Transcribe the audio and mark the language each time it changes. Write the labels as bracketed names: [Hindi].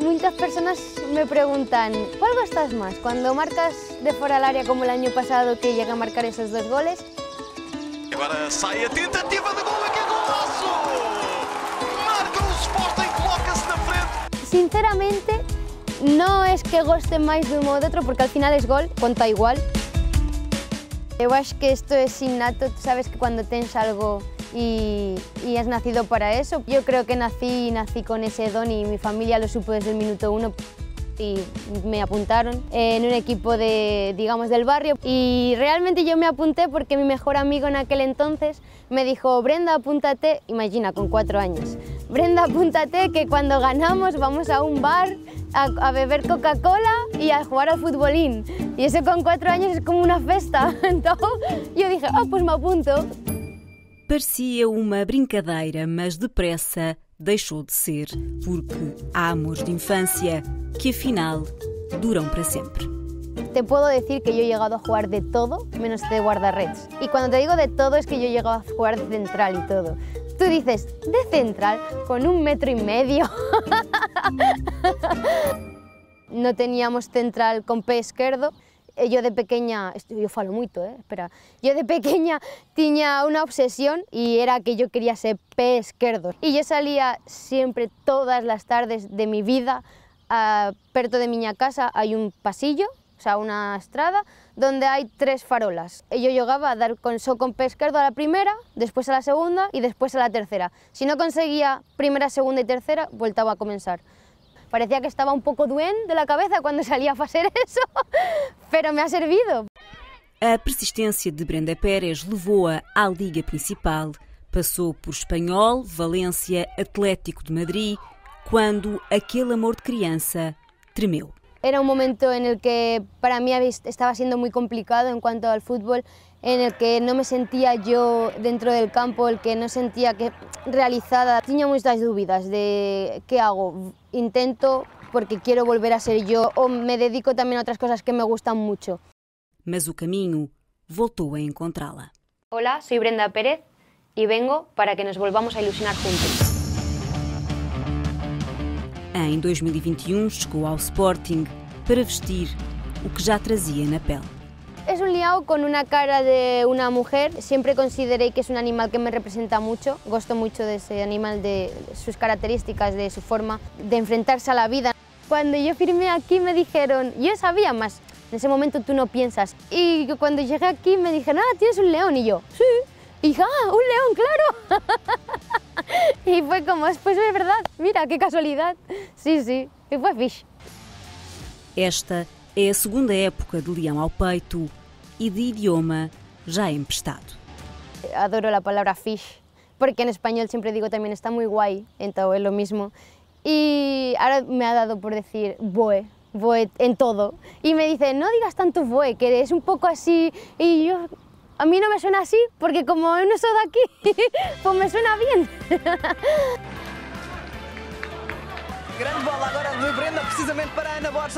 [Spanish] muchas personas me preguntan, ¿cuál gustas más? ¿Cuando marcas de fuera al área como el año pasado que llega a marcar esos dos goles? [Portuguese] Agora sai a tentativa de gol, que golaço! Marca o Sporting, coloca-se na frente. [Spanish] Sinceramente, no es que goste más de un modo o de otro, porque al final es gol, cuenta igual. Yo [Portuguese] acho [Spanish] que esto es innato, sabes que cuando [Portuguese] tens [Spanish] algo y has nacido para eso. Yo creo que nací con ese don y mi familia lo supo desde el minuto uno y me apuntaron en un equipo de, digamos, del barrio. Y realmente yo me apunté porque mi mejor amigo en aquel entonces me dijo, Brenda, apúntate, imagina, con 4 años, Brenda, apúntate que cuando ganamos vamos a un bar a beber Coca-Cola y a jugar al futbolín. Y eso con 4 años es como una festa. Entonces yo dije, ah, pues me apunto. [Portuguese] Parecia uma brincadeira, mas depressa deixou de ser, porque há amores de infância que, afinal, duram para sempre. [Spanish] Te puedo decir que yo he llegado a jugar de todo, menos de guardarredes. Y cuando te digo de todo, es que yo he llegado a jugar de central y todo. Tú dices, ¿de central? Con 1,5 metros. No teníamos central con pé izquierdo. Yo de pequeña, yo [Portuguese] falo [Spanish] mucho, espera. Yo de pequeña tenía una obsesión y era que yo quería ser pé izquierdo. Y yo salía siempre todas las tardes de mi vida, [Portuguese] perto [Spanish] de mi casa hay un pasillo, o sea, una [Portuguese] estrada, [Spanish] donde hay 3 farolas. Y yo llegaba a dar con pé izquierdo a la primera, después a la segunda y después a la tercera. Si no conseguía primera, segunda y tercera, voltaba a comenzar. Parecía que estaba un poco duende de la cabeza cuando salía a hacer eso, pero me ha servido. [Portuguese] A persistência de Brenda Pérez levou-a à Liga Principal. Passou por Espanhol, Valência, Atlético de Madrid, quando aquele amor de criança tremeu. [Spanish] Era un momento en el que para mí estaba siendo muy complicado en cuanto al fútbol, en el que no me sentía yo dentro del campo, el que no sentía que realizada. Tenía muchas dudas de qué hago, intento porque quiero volver a ser yo o me dedico también a otras cosas que me gustan mucho. [Portuguese] Mas o camino voltó a encontrarla. [Spanish] Hola, soy Brenda Pérez y vengo para que nos volvamos a ilusionar juntos. [Portuguese] Em 2021, chegou ao Sporting para vestir o que já trazia na pele. É um leão com uma cara de uma mulher. Sempre considerei que é um animal que me representa muito. Gosto muito desse animal, de suas características, de sua forma de enfrentar-se à vida. Quando eu firmei aqui, me disseram... Eu sabia, mas nesse momento tu não pensas. E quando cheguei aqui, me disseram, ah, tens um leão. E eu, sim. Sí. E já, ah, um leão, claro. [Spanish] Y fue como, pues es verdad, mira, qué casualidad. Sí, sí, y fue fixe. [Portuguese] Esta é a segunda época de leão ao peito e de idioma já emprestado. Adoro a palavra fixe, porque em espanhol sempre digo também [Spanish] está muy guay, [Portuguese] então é [Spanish] lo mismo. [Portuguese] E agora [Spanish] me ha dado por decir boé, boé [Portuguese] em todo. [Spanish] E me dice, no digas tanto boé, que eres un poco así. [Portuguese] E eu... [Spanish] A mí no me suena así, porque como yo no soy de aquí, pues me suena bien. Grande bola ahora de Brenda, precisamente para Ana Borges.